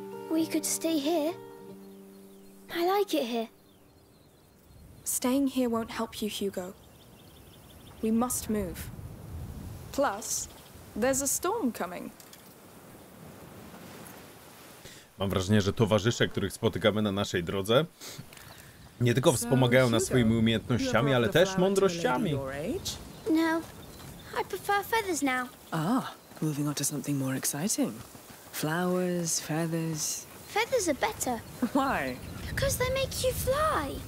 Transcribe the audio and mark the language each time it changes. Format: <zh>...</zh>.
<en>We could stay here. I like it here. Staying here won't help you, Hugo. We must move. Plus, there's a storm coming.</en> <pl>Mam wrażenie, że towarzysze, których spotykamy na naszej drodze, nie tylko wspomagają nas swoimi umiejętnościami, ale też mądrościami.</pl> <en>No, I prefer feathers now. Ah, moving on to something more exciting. Flowers, feathers. Feathers are better. Why? Because they make you fly.</en>